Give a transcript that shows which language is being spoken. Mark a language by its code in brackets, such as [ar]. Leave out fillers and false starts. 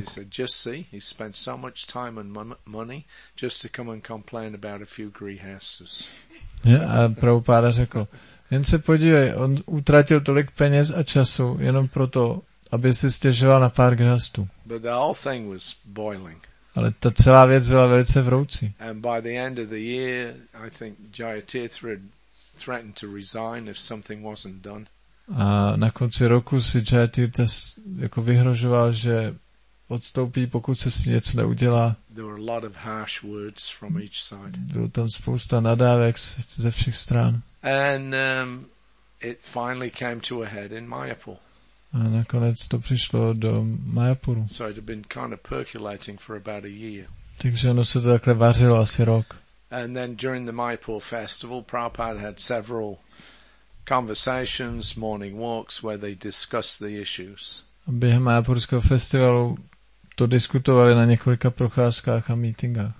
[en] So he said, just see, he spent so much time and money just to come and complain about a few grihasthas. [cs] A Prabhupada řekl, jen se podívej, on utratil tolik peněz a času jenom proto, aby si stěžoval na pár grihasthů. [en] But the whole thing was boiling. [cs] Ale ta celá věc byla velice vroucí. [en] And by the end of the year, I think Jayatirtha threatened to resign if something wasn't done. [cs] A na konci roku si Jayatirtha jako vyhrožoval, že odstoupí, pokud se s ním něco neudělá. [en] There were a lot of harsh words from each side. [cs] Bylo tam spousta nadávek ze všech stran. [en] And it finally came to a head in Mayapur. [cs] A nakonec to přišlo do Mayapuru. [en] So it had been kind of percolating for about a year. [cs] Takže ono se to takhle vařilo asi rok. [en] And then during the Mayapur festival, Prabhupada had several conversations, morning walks where they discussed the issues. [cs] Během Mayapurského festivalu to diskutovali na několika procházkách a meetingách.